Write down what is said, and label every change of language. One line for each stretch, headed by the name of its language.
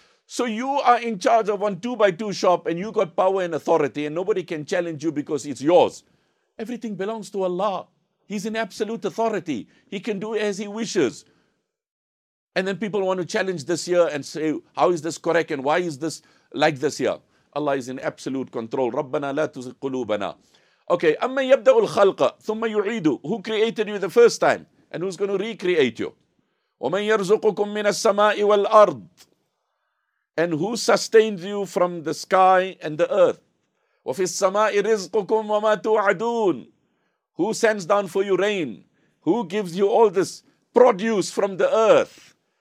English: So you are in charge of one 2x2 shop and you got power and authority and nobody can challenge you because it's yours. Everything belongs to Allah. He's in absolute authority. He can do as He wishes. And then people want to challenge this here and say, how is this correct and why is this like this here? Allah is in absolute control.
Arabic: رَبَّنَا لَا تُزِقْ قُلُوبَنَا.
English: Okay,
Arabic: أَمَّنْ يَبْدَأُ الْخَلْقَ ثُمَّ يُعِيدُ.
English: Who created you the first time? And who's going to recreate you?
Arabic: وَمَنْ يَرْزُقُكُمْ مِنَ السَّمَاءِ وَالْأَرْضِ.
English: And who sustained you from the sky and the earth?
Arabic: وَفِي السَّمَاءِ رِزْقُكُمْ وَمَا تُوَعَدُونَ.
English: Who sends down for you rain? Who gives you all this produce from the earth?